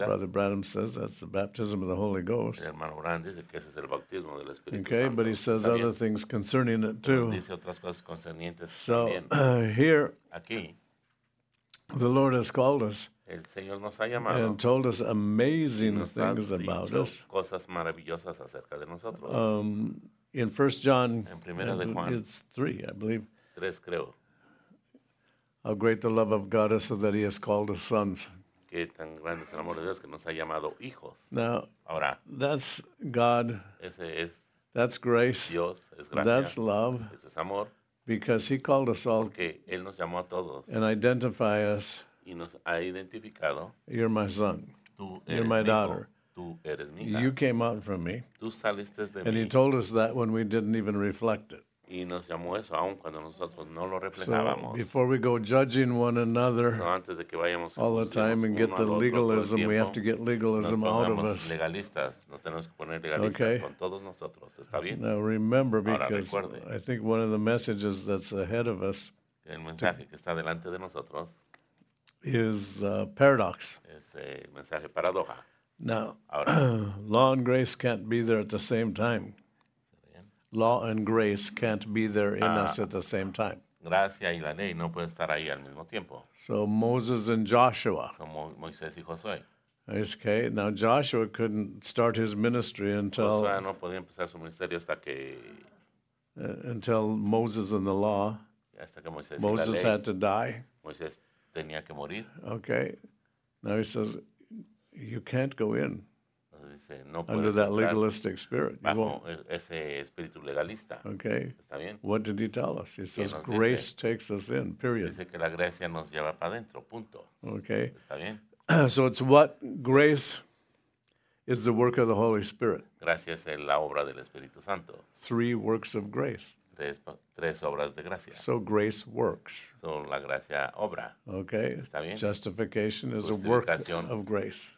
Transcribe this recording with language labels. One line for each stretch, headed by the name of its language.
English: Well, Brother Branham says that's the baptism of the Holy Ghost.
Spanish: El hermano Branham dice que ese es el bautismo del Espíritu Santo.
English: Okay, but he says other things concerning it too.
Spanish: Dice otras cosas concernientes
English: so,
Spanish: también.
English: Here,
Spanish: aquí,
English: the Lord has called us
Spanish: el Señor nos ha llamado,
English: and told us amazing things about us.
Spanish: Cosas maravillosas acerca de nosotros.
English: In 1 John,
Spanish: en Primera de Juan,
English: it's 3, I believe.
Spanish: Tres, creo.
English: How great the love of God is so that he has called us sons.
Spanish: Qué tan grande es el amor de Dios que nos ha llamado hijos.
English: Now,
Spanish: ahora,
English: that's God.
Spanish: Ese es,
English: that's grace.
Spanish: Dios es gracia.
English: That's love.
Spanish: Ese es amor.
English: Because he called us all
Spanish: él nos llamó a todos
English: and identify us.
Spanish: Y nos ha identificado.
English: You're my son.
Spanish: Tú
English: You're
Spanish: eres
English: my
Spanish: mi
English: daughter.
Spanish: Tú eres mi
English: you came out from me.
Spanish: Tú saliste de
English: and
Spanish: mí.
English: He told us that when we didn't even reflect it.
Spanish: Y nos llamó eso, aun cuando nosotros no lo reflejábamos.
English: So before we go judging one another
Spanish: so antes de que vayamos
English: all the time and get the legalism, we have to get legalism out of us.
Spanish: Legalistas. Nos tenemos que poner legalistas okay. Con todos nosotros. ¿Está bien?
English: Now remember, because
Spanish: ahora recuerde,
English: I think one of the messages that's ahead of us
Spanish: el mensaje que está delante de nosotros
English: is paradox.
Spanish: Es mensaje paradoja.
English: Now,
Spanish: ahora,
English: law and grace can't be there at the same time. Law and grace can't be there in us at the same time.
Spanish: Gracia y la ley no puede estar ahí al mismo tiempo.
English: So Moses and Joshua.
Spanish: Como Moisés y Josué.
English: Okay, now Joshua couldn't start his ministry until
Spanish: Josué no podía empezar su ministerio hasta que
English: until Moses and the law.
Spanish: Hasta que Moisés
English: Moses
Spanish: y la ley.
English: Had to die.
Spanish: Moisés tenía que morir.
English: Okay, now he says, you can't go in.
Spanish: No
English: under that legalistic spirit.
Spanish: Bajo ese espíritu legalista.
English: Okay.
Spanish: ¿Está bien?
English: What did he tell us? He says, grace takes us in, period.
Spanish: Dice que la gracia nos lleva para dentro, punto.
English: Okay.
Spanish: ¿Está bien?
English: So it's what grace is the work of the Holy Spirit.
Spanish: Gracia es la obra del Espíritu Santo.
English: Three works of grace.
Spanish: Tres obras de gracia.
English: So grace works.
Spanish: So la gracia obra.
English: Okay.
Spanish: ¿Está bien?
English: Justification is a work of grace.